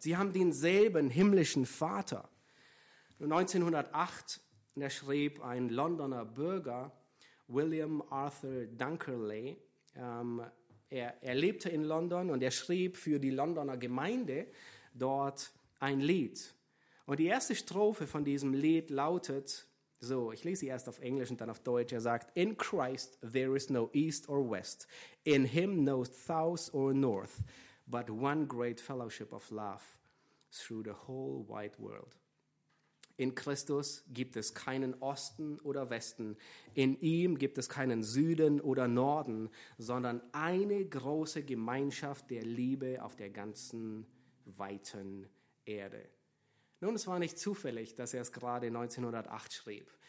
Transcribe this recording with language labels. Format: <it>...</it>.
<de>Sie haben denselben himmlischen Vater. 1908, da schrieb ein Londoner Bürger, William Arthur Dunkerley, er lebte in London und er schrieb für die Londoner Gemeinde dort ein Lied. Und die erste Strophe von diesem Lied lautet, so, ich lese sie erst auf Englisch und dann auf Deutsch. Er sagt,</de> <en>in Christ there is no east or west, in him no south or north, but one great fellowship of love through the whole wide world.</en> <de>In Christus gibt es keinen Osten oder Westen, in ihm gibt es keinen Süden oder Norden, sondern eine große Gemeinschaft der Liebe auf der ganzen weiten Erde. Nun, es war nicht zufällig, dass er es gerade 1908 schrieb.</de>